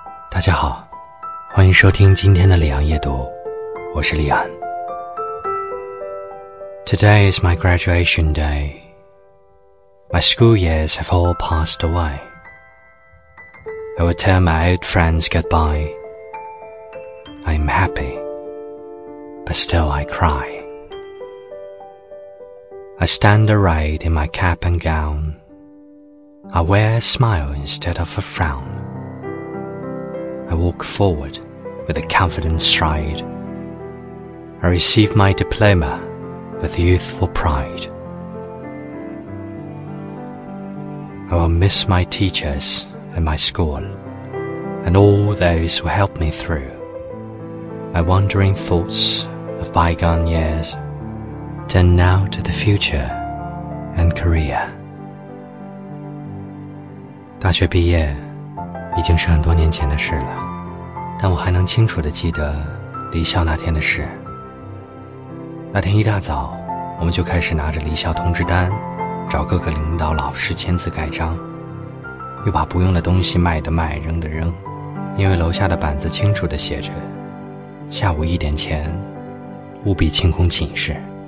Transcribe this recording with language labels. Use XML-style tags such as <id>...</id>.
<zh>大家好，欢迎收听今天的李昂夜读，我是李昂。</zh> <en>Today is my graduation day. My school years have all passed away. I will tell my old friends goodbye. I am happy, but still I cry. I stand arrayed in my cap and gown. I wear a smile instead of a frown. I walk forward with a confident stride. I receive my diploma with youthful pride. I will miss my teachers and my school, and all those who helped me through. My wandering thoughts of bygone years turn now to the future and career.</en> <zh>大学毕业已经是很多年前的事了，但我还能清楚地记得离校那天的事。那天一大早，我们就开始拿着离校通知单，找各个领导老师签字盖章，又把不用的东西卖的卖，扔的扔，因为楼下的板子清楚地写着，下午一点前，务必清空寝室。</zh>